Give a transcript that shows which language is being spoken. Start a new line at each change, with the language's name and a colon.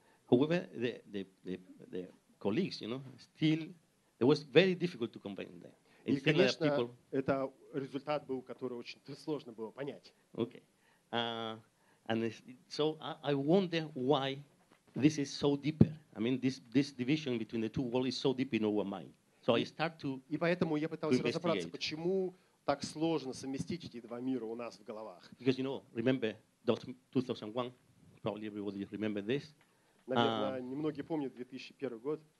English: However, the colleagues, you know, still it was very difficult to comprehend them. And
Russian: и, конечно,
English: people...
Russian: это результат был, который очень сложно было понять.
English: Okay. And so I wonder why. This is so deeper. I mean, this division between the two worlds is so deep in our mind. So I start to investigate.
Russian: И поэтому я пытался разобраться, почему так сложно совместить эти два мира у нас в головах.
English: Because, you know, remember 2001, probably everybody remember this.
Russian: Наверное, немногие помнят 2001 год.